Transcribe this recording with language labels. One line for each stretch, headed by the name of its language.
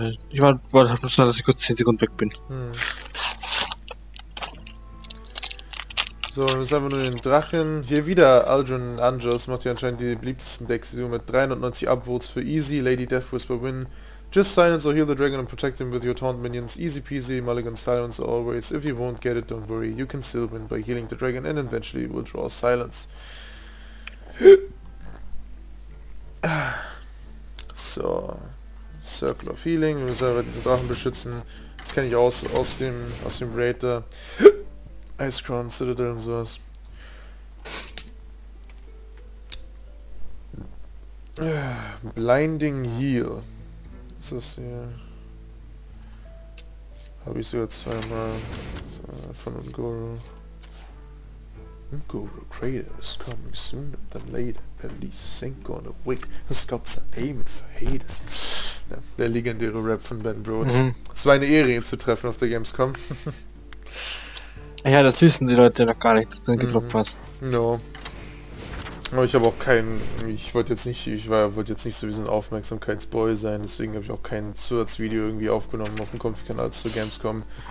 German: Ich war nur so, dass ich kurz 10 Sekunden weg bin. So, wir müssen einfach nur den Drachen. Hier wieder Aldrin Angels macht hier anscheinend die beliebtesten Decks mit 390 Upvotes für Easy, Lady Death Whisper Win.
English: Just silence or heal the dragon and protect him with your taunt minions. Easy peasy, mulligan silence always. If you won't get it, don't worry. You can still win by healing the dragon and eventually will draw silence. So. Circle of Healing.
German: Wir müssen einfach diese Drachen beschützen. Das kenne ich aus dem Raid da. Icecrown, Citadel und sowas. Blinding Heal. Ist das hier? Habe ich sogar zweimal. Von Un'Goro.
English: Un'Goro Crater is coming sooner than later. Police ain't gonna wait. The Scots are aiming for haters.
German: Ja, der legendäre Rap von Ben Brode. Es war eine Ehre, ihn zu treffen auf der Gamescom. Ja, das wissen die Leute noch gar nicht, dass du ihn getroffen hast.
English: No.
German: Aber ich habe auch keinen. Ich wollte jetzt nicht sowieso ein Aufmerksamkeitsboy sein, deswegen habe ich auch kein Zusatzvideo irgendwie aufgenommen auf dem Konfi-Kanal zu Gamescom.